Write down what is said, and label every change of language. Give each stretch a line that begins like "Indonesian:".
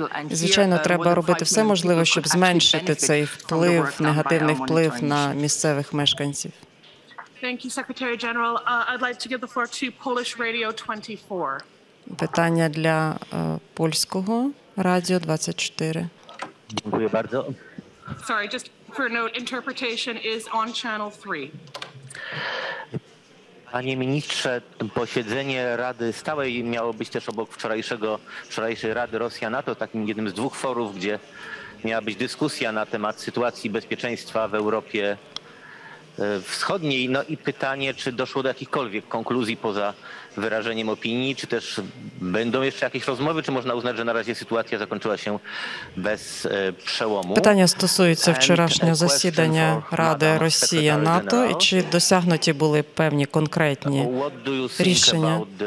Ukrainian: Звичайно, треба робити все можливе, щоб зменшити цей вплив, негативний вплив на місцевих мешканців.
English: Thank you, Secretary General. I'd like to give the floor to Polish Radio 24.
Ukrainian: Питання для польського радіо 24. Дякую дуже.
English: Sorry, just for note, interpretation is on channel 3.
Polish: Panie ministrze, posiedzenie Rady Stałej miało być też obok wczorajszej Rady Rosja-NATO, takim jednym z dwóch forów, gdzie miała być dyskusja na temat sytuacji bezpieczeństwa w Europie Wschodniej. No i pytanie, czy doszło do jakichkolwiek konkluzji poza wyrażeniem opinii, czy też będą jeszcze jakieś rozmowy, czy można uznać, że na razie sytuacja zakończyła się bez przełomu?
Ukrainian: Pytanie stosується вчорашнього засідання Ради Росії НАТО і чи досягнуті були певні конкретні рішення?